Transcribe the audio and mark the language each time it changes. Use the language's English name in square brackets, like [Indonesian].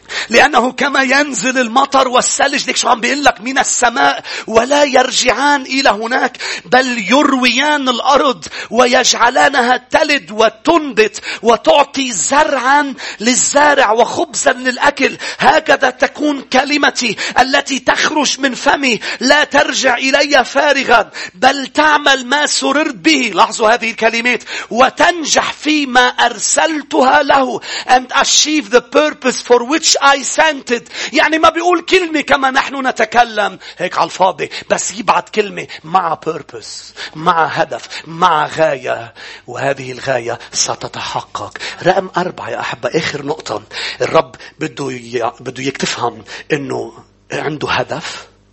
[Arabic] لأنه كما ينزل المطر والثلج. ليك شو عم بيقلك؟ من السماء ولا يرجعان إلى هناك بل يرويان الأرض ويجعلانها تلد وتنبت وتعطي زرعا للزارع وخبزا للأكل. هكذا تكون كلمتي التي تخرج من فمي لا ترجع إلي فارغا بل تعمل ما سررت به. لاحظوا هذه الكلمات. وتنجح فيما أرسلتها له. [English] And achieve the purpose for which I sent it. [Arabic] يعني ما بيقول كلمة كما نحن نتكلم هيك على الفاضي. بس يبعت كلمة مع purpose. مع هدف. مع غاية. وهذه الغاية ستتحقق. رقم 4 يا أحبة. آخر نقطة. الرب بده إياك تفهم أنه عنده هدف.